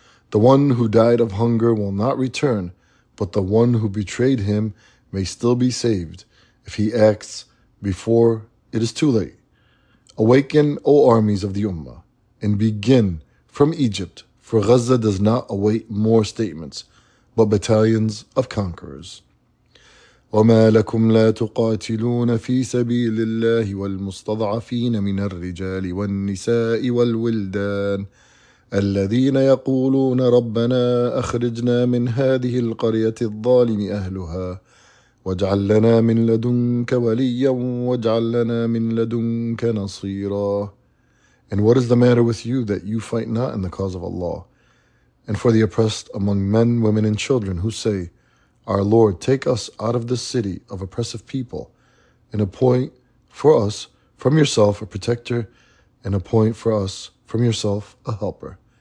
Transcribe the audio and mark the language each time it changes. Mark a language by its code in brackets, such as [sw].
[en] The one who died of hunger will not return, but the one who betrayed him may still be saved if he acts before it is too late. Awaken, O armies of the Ummah, and begin from Egypt, for Gaza does not await more statements, but battalions of conquerors. [ar] وَمَا لَكُمْ لَا تُقَاتِلُونَ فِي سَبِيلِ اللَّهِ وَالْمُسْتَضْعَفِينَ مِنَ الرِّجَالِ وَالنِّسَاءِ وَالْوِلْدَانِ الذين يقولون ربنا أخرجنا من هذه القرية الظالم أهلها واجعل لنا من لدنك وليا واجعل لنا من لدنك نصيرا. [en] And what is the matter with you that you fight not in the cause of Allah and for the oppressed among men, women, and children who say, Our Lord, take us out of this city of oppressive people and appoint for us from yourself a protector and appoint for us from yourself a helper.